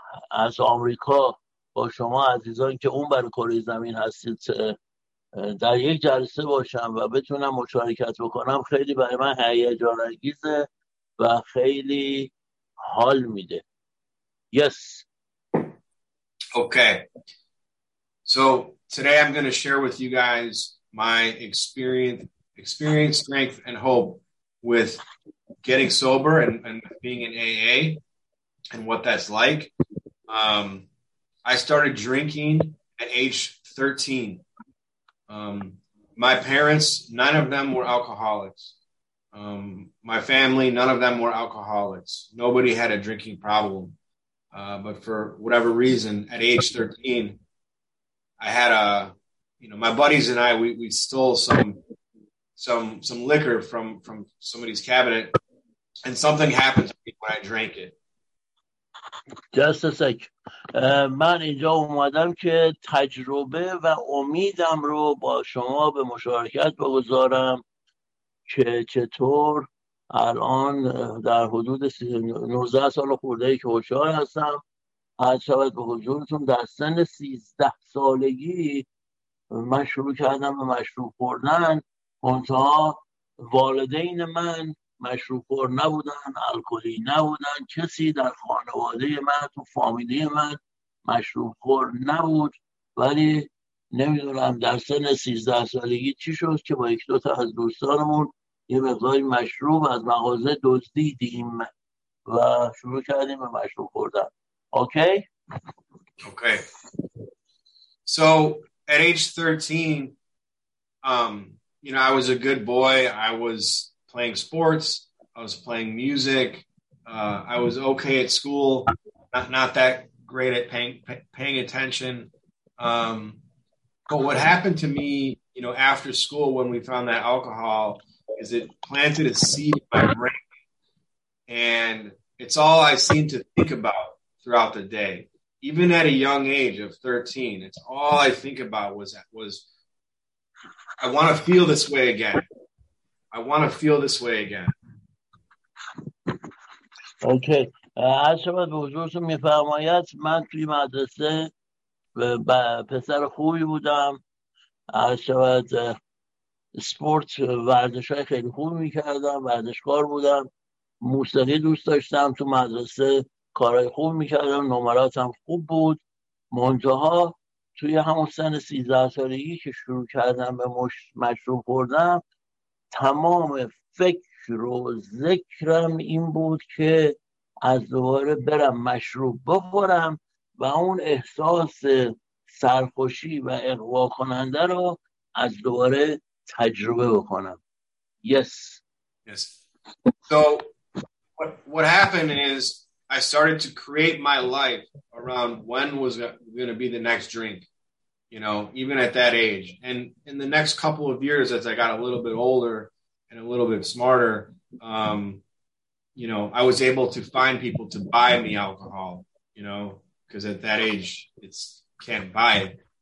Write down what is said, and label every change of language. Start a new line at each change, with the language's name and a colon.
Persian: از آمریکا با شما عزیزان که اون بر کره زمین هستید در یک جلسه باشم و بتونم مشارکت بکنم خیلی برای من هیجان انگیزه و خیلی حال میده.
English: Yes. Okay. So today I'm going to share with you guys my experience, strength, and hope with getting sober and being in AA and what that's like. I started drinking at age 13. My parents, none of them were alcoholics. My family, none of them were alcoholics. Nobody had a drinking problem. But for whatever reason, at age 13, I had a, my buddies and I, we stole some liquor from somebody's cabinet, and something happened to me when I drank it. Just a sec.
Persian: من اینجا اومدم که تجربه و امیدم رو با شما به مشارکت بگذارم که چطور الان در حدود 19 سال خورده ای که هوشیار هستم، از شبت به حضورتون در سن 13 سالگی من شروع کردم به مشروب خوردن، اونها والدین من مشروب خور نبودن، الکلی نبودن، کسی در خانواده من تو فامیلی من مشروب خور نبود، ولی نمیدونم در سن 13 سالگی چی شد که با یک دوتا از دوستانمون یه مقداری مشروب از مغازه دزدیدیم و شروع کردیم به مشروب خوردن. اوکی؟
English: Okay. So at age 13, you know, I was a good boy. I was playing sports. I was playing music. I was okay at school. Not that great at paying attention. But what happened to me, you know, after school when we found that alcohol is it planted a seed in my brain. And it's all I seem to think about throughout the day. Even at a young age of 13, it's all I think about was I want to feel this way again. I want to feel this way again. Okay.
Persian: از شما به حضورتون می فرماید من توی مدرسه پسر خوبی بودم. از شما سپورت ورزش های خیلی خوب می کردم. ورزشکار بودم. موسیقی دوست داشتم. تو مدرسه کارهای خوب می کردم. نمراتم خوب بود. منتها توی همون سن 13 سالگی که شروع کردم به مشروب خوردم تمام فکر و ذکرم این بود که از دوباره برم مشروب بخورم و اون احساس سرخوشی و اغوا کننده رو از دوباره تجربه بکنم.
English: Yes. So what happened is I started to create my life around when was going to be the next drink, you know, even at that age. And in the next couple of years as I got a little bit older and a little bit smarter, you know, I was able to find people to buy me alcohol, you know, because at that age, it's can't buy it.